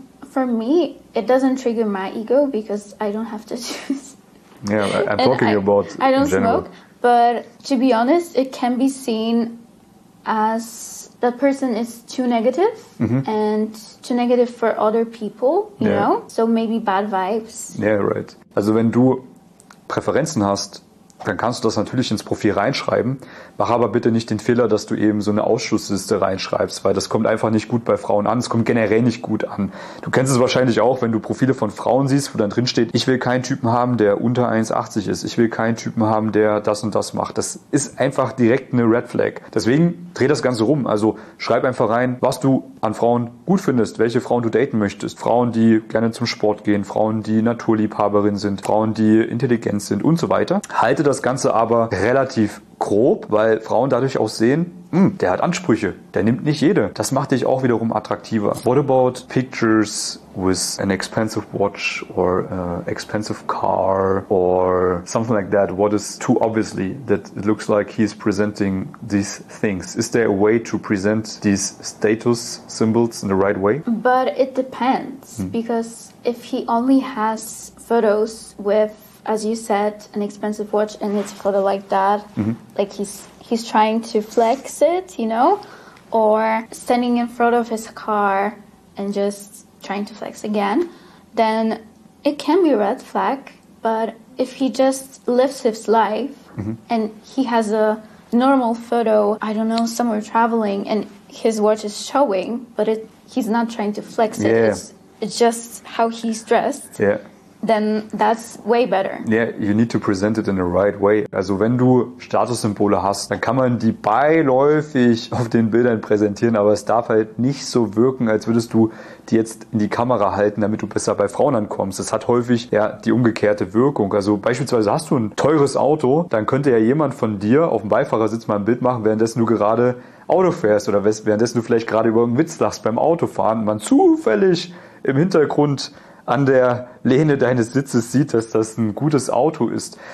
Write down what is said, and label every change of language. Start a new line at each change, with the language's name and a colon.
English: For me, it doesn't trigger my ego because I don't have tattoos. Yeah, I'm talking about I don't smoke, but to be honest, it can be seen as that person is too negative and too negative for other people, you know? So maybe bad vibes. Yeah, right.
German: Also wenn du Präferenzen hast, dann kannst du das natürlich ins Profil reinschreiben. Mach aber bitte nicht den Fehler, dass du eben so eine Ausschlussliste reinschreibst, weil das kommt einfach nicht gut bei Frauen an. Es kommt generell nicht gut an. Du kennst es wahrscheinlich auch, wenn du Profile von Frauen siehst, wo dann drin steht, ich will keinen Typen haben, der unter 1,80 ist. Ich will keinen Typen haben, der das und das macht. Das ist einfach direkt eine Red Flag. Deswegen dreh das Ganze rum. Also schreib einfach rein, was du an Frauen gut findest, welche Frauen du daten möchtest. Frauen, die gerne zum Sport gehen, Frauen, die Naturliebhaberinnen sind, Frauen, die intelligent sind und so weiter. Halte das Ganze aber relativ grob, weil Frauen dadurch auch sehen, der hat Ansprüche, der nimmt nicht jede. Das macht dich auch wiederum attraktiver.
English: What about pictures with an expensive watch or expensive car or something like that? What is too obviously that it looks like he's presenting these things? Is there a way to present these status symbols in the right way? But it depends, because if he only has photos with, as you said, an expensive watch and it's photo like that, like he's trying to flex it, you know, or standing in front of his car and just trying to flex again, then it can be a red flag. But if he just lives his life and he has a normal photo, I don't know, somewhere traveling and his watch is showing, but he's not trying to flex it. Yeah. It's just how he's dressed. Yeah. Then that's way better. Yeah, you need to present it in the right way.
German: Also wenn du Statussymbole hast, dann kann man die beiläufig auf den Bildern präsentieren, aber es darf halt nicht so wirken, als würdest du die jetzt in die Kamera halten, damit du besser bei Frauen ankommst. Das hat häufig ja die umgekehrte Wirkung. Also beispielsweise hast du ein teures Auto, dann könnte ja jemand von dir auf dem Beifahrersitz mal ein Bild machen, währenddessen du gerade Auto fährst oder währenddessen du vielleicht gerade über einen Witz lachst beim Autofahren und man zufällig im Hintergrund an der Lehne deines Sitzes sieht, dass das ein gutes Auto ist.